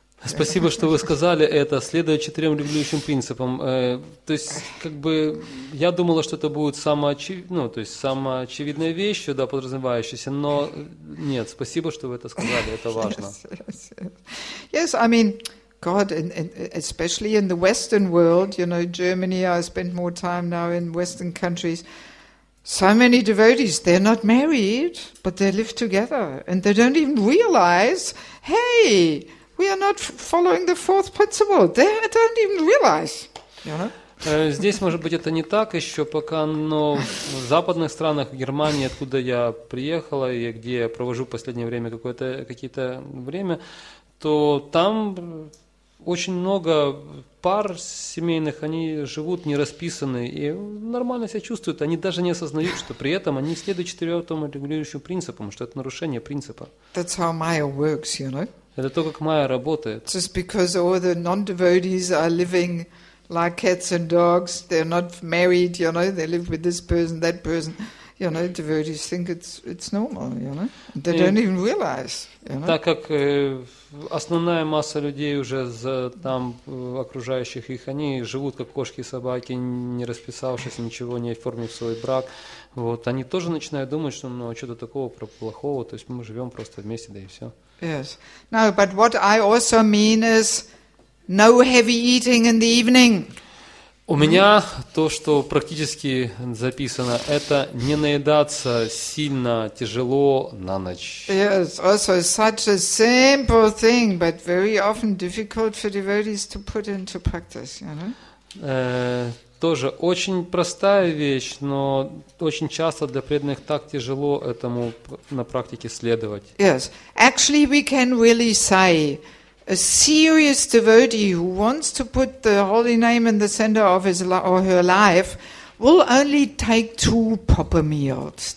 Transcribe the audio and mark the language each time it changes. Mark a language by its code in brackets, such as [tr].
[ru] Спасибо, что вы сказали это, следуя четырем регулирующим принципам. То есть, я думала, что это будет самоочевидная вещь, да, подразумевающаяся, но нет, спасибо, что вы это сказали, это важно. [en] Yes, I mean, God, and especially in the Western world, you know, Germany, I spend more time now in Western countries. So many devotees, they're not married, but they live together, and they don't even realize, hey, we are not following the fourth principle. They don't even realize. [ru] Здесь, может быть, это не так еще пока, но в западных странах, в Германии, откуда я приехала и где я провожу в последнее время какие-то время, то там очень много пар семейных, они живут не расписаны и нормально себя чувствуют. Они даже не осознают, что при этом они следуют четвертому регулирующему принципу, что это нарушение принципа. [en] That's how Maya works, you know. [ru] Это то, как Майя работает. [en] Just because all the non-devotees are living like cats and dogs, they're not married, you know, they live with this person, that person. You know, devotees think it's normal, you know. They don't even realize, you know. [ru] Так как основная масса людей уже за там окружающих их, они живут как кошки и собаки, не расписавшись, ничего не оформив свой брак. Вот, они тоже начинают думать, что ну, что-то такого плохого, то есть мы живем просто вместе, да и все. [en] Yes. No, but what I also mean is no heavy eating in the evening. [ru] У меня то, что практически записано, это не наедаться сильно тяжело на ночь. [en] Yes, also such a simple thing, but very often difficult for devotees to put into practice, you know? [ru] Тоже очень простая вещь, но очень часто для преданных так тяжело этому на практике следовать. [en] Yes, actually we can really say, a serious devotee who wants to put the holy name in the center of his or her life will only take two proper meals.